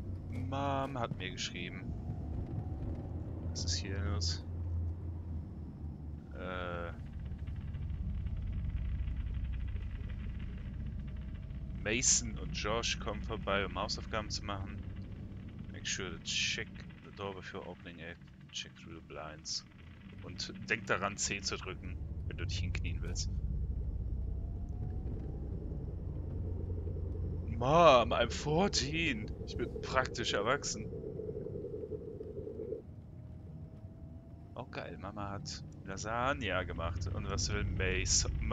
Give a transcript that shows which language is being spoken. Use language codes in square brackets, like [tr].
[de] Mom hat mir geschrieben. Was ist hier los? Mason und Josh kommen vorbei, um Hausaufgaben zu machen. [en] Make sure to check the door before opening it. Check through the blinds. [de] Und denk daran, C zu drücken, wenn du dich hinknien willst. Mom, I'm 14. Ich bin praktisch erwachsen. Oh geil, Mama hat Lasagne gemacht. Und was will Mason?